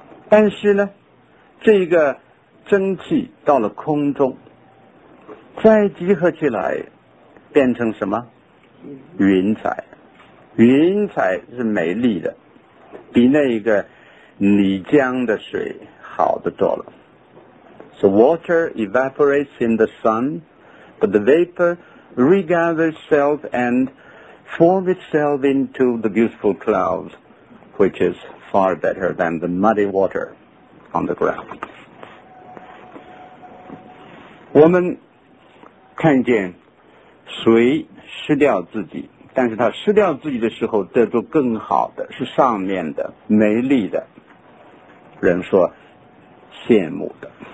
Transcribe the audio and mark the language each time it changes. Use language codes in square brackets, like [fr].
[zh] 但是呢，这个蒸汽到了空中再集合起来变成什么？云彩。云彩是美丽的，比那个泥浆的水好得多了。 [en] So water evaporates in the sun, but the vapor regathers itself and forms itself into the beautiful clouds, which isfar better than the muddy water on the ground。 [zh] 我们看见水失掉自己，但是它失掉自己的时候得到更好的，是上面的美丽的，人说羡慕的。